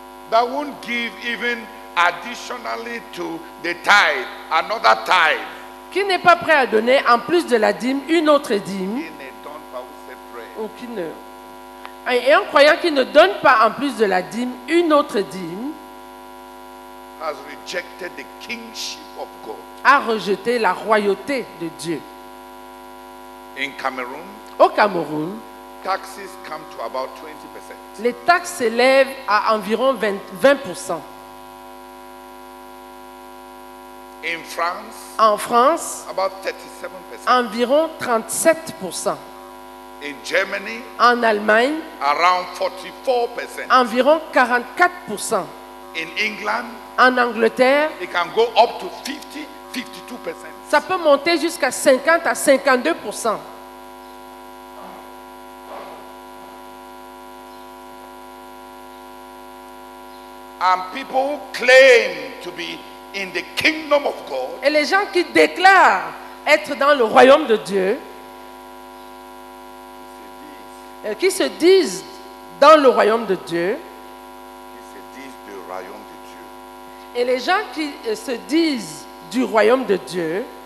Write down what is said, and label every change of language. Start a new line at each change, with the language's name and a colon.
English: That won't give even additionally to the tithe, another tithe.
French: Qui n'est pas prêt à donner en plus de la dîme une autre dîme. Qui ne donne pas ou c'est prêt. Aucune. Et un croyant qui ne donne pas en plus de la dîme une autre dîme.
English: Has rejected the kingship of God.
French: A rejeté la royauté de Dieu.
English: In Cameroon,
French: au Cameroun,
English: taxes come to about 20%.
French: Les taxes s'élèvent à environ 20%.
English: In France,
French: en France,
English: about 37%.
French: Environ 37%.
English: In Germany,
French: en Allemagne,
English: around 44%.
French: Environ 44%.
English: In England,
French: en Angleterre,
English: it can go up to 52%.
French: Ça peut monter jusqu'à 50 à 52%.
English: And people who claim to be in the kingdom of God.
French: Et les gens qui déclarent être dans le royaume de Dieu. Qui se disent dans le royaume de Dieu. Qui se disent du royaume de Dieu. Et les gens qui se disent du royaume de Dieu.